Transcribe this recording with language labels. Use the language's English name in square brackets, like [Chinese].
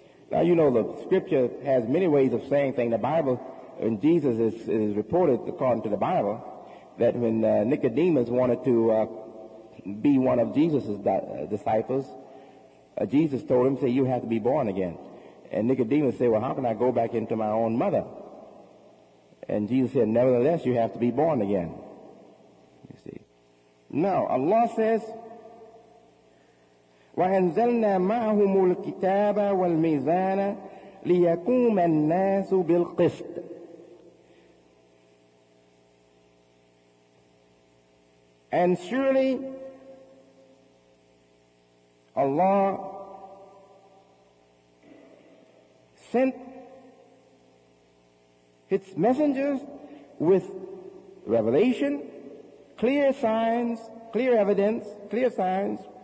[English] Now, you know, the scripture has many ways of saying things. The Bible, when Jesus is reported, according to the Bible, that when Nicodemus wanted to be one of Jesus' disciples, Jesus told him, "Say, you have to be born again." And Nicodemus said, "Well, how can I go back into my own mother?" And Jesus said, "Nevertheless, you have to be born again." You see. Now, Allah says, [Arabic] وَأَنزَلْنَا مَعَهُمُ الْكِتَابَ وَالْمِيزَانَ لِيَقُومَ النَّاسُ بِالْقِسْطِ. [English] And surely, Allah sent its messengers with revelation, clear signs, clear evidence, clear signs,